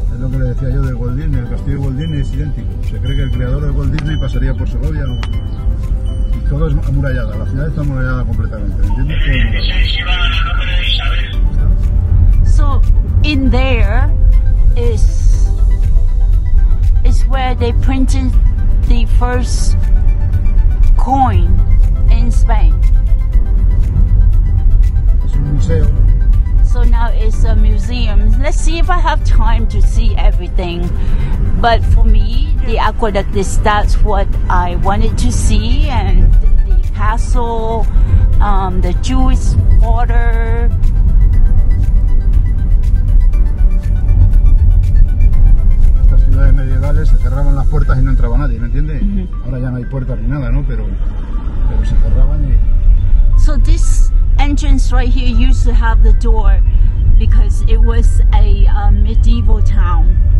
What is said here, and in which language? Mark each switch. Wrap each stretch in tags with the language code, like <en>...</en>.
<es>Que le decía yo de Walt Disney, el castillo de Walt Disney es idéntico. Se cree que el creador de Walt Disney pasaría por Segovia, ¿no? Y todo es amurallada, la ciudad está amurallada completamente.</es> <en>So in there is where they printed the first coin in Spain.</en> <es>Es un museo.</es> <en>So now it's a museum. Let's see if I have time to see everything. But for me, the aqueduct is that's what I wanted to see. And the castle, the Jewish quarter.</en> <es>Estas ciudades medievales se cerraban las puertas y no entraba nadie, ¿me entiendes? Mm-hmm. Ahora ya no hay puertas ni nada, ¿no? Pero se cerraban y...</es> <en>So this entrance right here used to have the door because it was a medieval town.</en>